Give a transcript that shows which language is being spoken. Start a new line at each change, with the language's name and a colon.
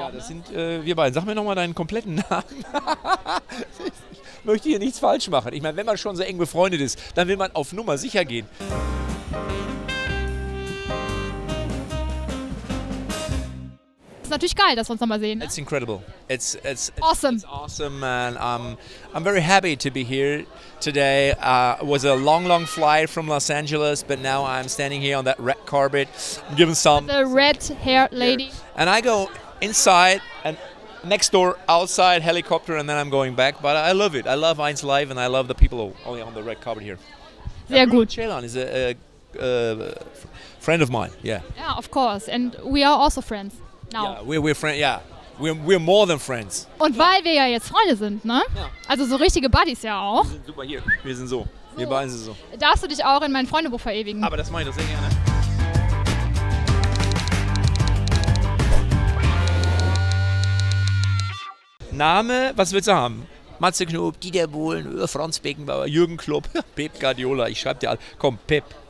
German: Ja, das sind wir beiden. Sag mir nochmal deinen kompletten Namen. Ich möchte hier nichts falsch machen. Ich meine, wenn man schon so eng befreundet ist, dann will man auf Nummer sicher gehen. Das ist natürlich geil, dass wir uns nochmal sehen. Ne?
English: It's incredible. It's awesome. It's awesome, man. I'm very happy to be here today. It was a long, long flight from Los Angeles, but now I'm standing here on that red carpet. I'm giving some. The red haired lady. And I go inside and next door, outside, helicopter, and then I'm going back. But I love it. I love Eins Live and I love the people only on the red carpet here.
German: Sehr gut.
English: Bruno Ceylan is a friend of mine. Yeah. Yeah, of course. And we are also friends. Now. Yeah, we're friends. Yeah, we're more than friends.
German: Und weil wir ja jetzt Freunde sind, ne? Ja. Also so richtige Buddies ja auch. Wir sind super hier. Wir sind so. Wir beiden sind so. Darfst du dich auch in mein Freundebuch verewigen? Aber das mache ich doch sehr gerne. Name, was willst du haben? Matze Knob, Dieter Bohlen, Franz Beckenbauer, Jürgen Klopp, Pep Guardiola. Ich schreib dir alle. Komm, Pep.